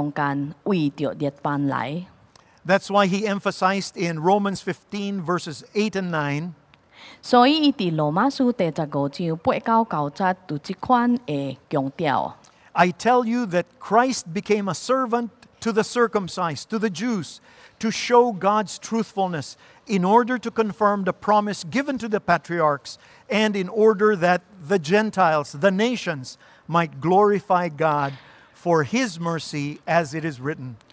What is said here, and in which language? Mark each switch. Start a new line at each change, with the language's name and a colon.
Min Nan Chinese: 就是为咱的弥赛亚主耶稣来到咱的中间，为着列邦来。
English: That's why he emphasized in Romans 15 verses 8 and 9.
Min Nan Chinese: 所以伫罗马书第十五章八到九节，读这款的强调。
English: I tell you that Christ became a servant to the circumcised, to the Jews, to show God's truthfulness in order to confirm the promise given to the patriarchs and in order that the Gentiles, the nations, might glorify God for His mercy as it is written.